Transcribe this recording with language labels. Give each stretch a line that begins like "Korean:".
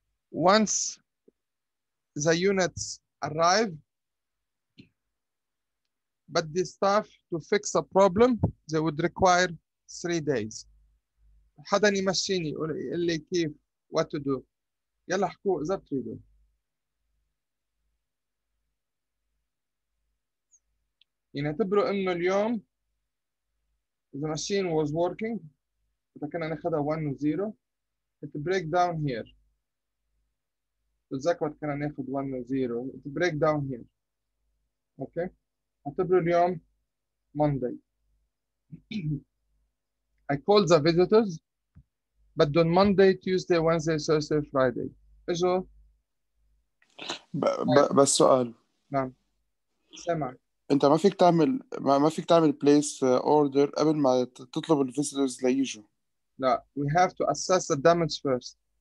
English: Once the units arrive, but the staff to fix a problem, they would require 3 days.
Arabic: حدا يمشيني يقول لي كيف,
English: what to do.
Arabic: يلا احكوا اذا بتريدوا. يعني اعتبروا انه اليوم
English: the machine was working,
Arabic: كنا ناخذها 1 و 0,
English: it break down here.
Arabic: تتذكر كنا ناخذ 1 و 0,
English: it break down here.
Arabic: اوكي, اعتبروا اليوم Monday.
English: I called the visitors, but on Monday, Tuesday, Wednesday, Thursday, Friday.
Arabic: اجوا. بس سؤال. نعم. سمع. انت ما فيك تعمل place order قبل ما تطلب ال visitors ليجوا.
English: لا, we have to assess the damage first.